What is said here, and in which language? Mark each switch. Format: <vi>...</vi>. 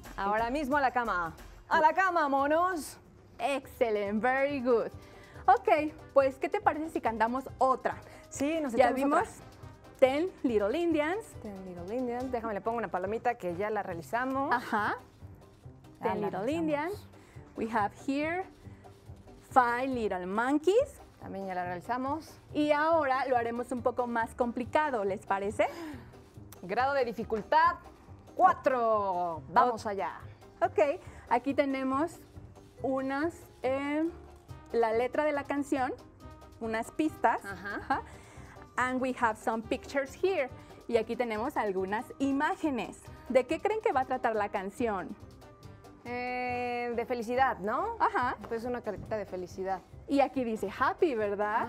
<es>Ahora mismo a la cama. A la cama, monos. Excelente,</es> <en>very good.</en> <es>Ok, pues, ¿qué te parece si cantamos otra? Sí, nos echamos otra. Ya vimos otra.</es> <en>Ten Little Indians. Ten Little Indians.</en> <es>Déjame, le pongo una palomita que ya la realizamos.</es> <en>Ajá. Ten Little Indians. We have here five little monkeys.</en> <es>También ya la realizamos. Y ahora lo haremos un poco más complicado, ¿les parece? Grado de dificultad 4. Vamos allá. Ok, aquí tenemos unas... la letra de la canción, unas pistas. Ajá.</es> <en>And we have some pictures here.</en> <es>Y aquí tenemos algunas imágenes. ¿De qué creen que va a tratar la canción? De felicidad, ¿no? Ajá. Pues una carita de felicidad. Y aquí dice happy, ¿verdad?</es>